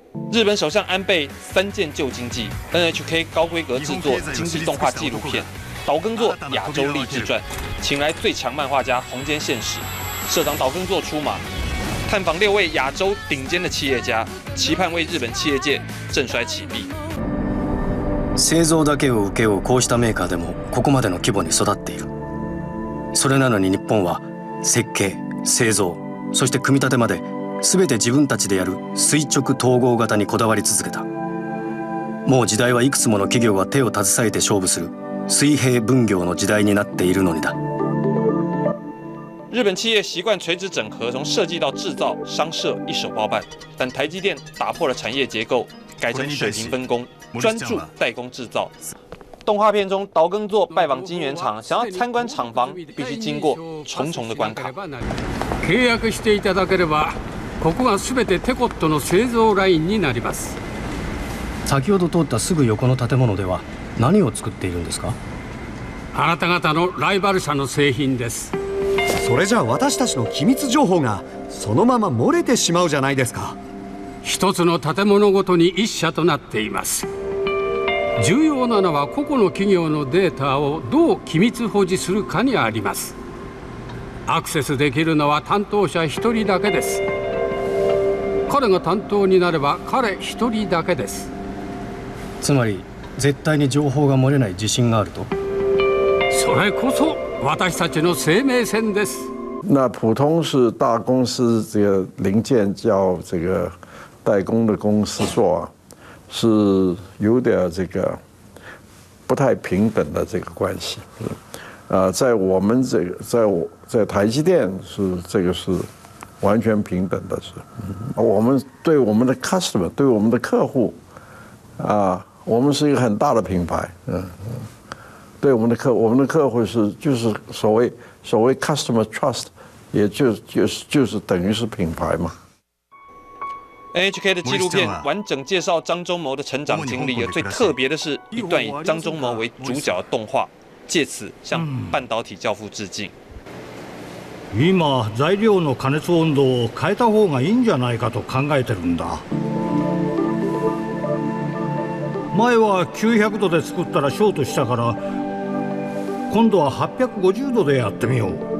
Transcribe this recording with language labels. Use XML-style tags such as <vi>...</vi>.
<zh>日本首相安倍三件旧经济 ，NHK 高规格制作经济动画纪录片，岛根作亚洲励志传，请来最强漫画家红间宪史，社长岛根作出马，探访六位亚洲顶尖的企业家，期盼为日本企业界振衰起敝。</zh> <ja>製造だけを請け負うこうしたメーカーでもここまでの規模に育っている。それなのに日本は設計、製造、そして組み立てまで。全て自分たちでやる垂直統合型にこだわり続けた。もう時代はいくつもの企業が手を携えて勝負する水平分業の時代になっているのにだ。</ja> <zh>日本企业习惯垂直整合，从设计到制造、商社一手包办，但台积电打破了产业结构，改成水平分工，专注代工制造。动画片中，岛根作拜访晶圆厂，想要参观厂房，必须经过重重的关卡。</zh> <ja>契約していただければ。ここがすべてテコットの製造ラインになります。先ほど通ったすぐ横の建物では何を作っているんですか？あなた方のライバル社の製品です。それじゃあ私たちの機密情報がそのまま漏れてしまうじゃないですか。一つの建物ごとに一社となっています。重要なのは個々の企業のデータをどう機密保持するかにあります。アクセスできるのは担当者一人だけです。彼が担当になれば彼一人だけです。つまり絶対に情報が漏れない自信があると。それこそ私たちの生命線です。</ja> <zh>那普通是大公司这个零件叫这个代工的公司做啊，是有点这个不太平等的这个关系啊，在我们这个在台积电是这个是完全平等的，是我们对我们的 customer， 对我们的客户啊，我们是一个很大的品牌，对我们的客户是就是所谓 customer trust， 也就是等于是品牌嘛。 NHK 的纪录片完整介绍张忠谋的成长经历，而最特别的是一段以张忠谋为主角的动画，借此向半导体教父致敬。</zh> <ja>今材料の加熱温度を変えた方がいいんじゃないかと考えてるんだ。前は900度で作ったらショートしたから、今度は850度でやってみよう。</ja>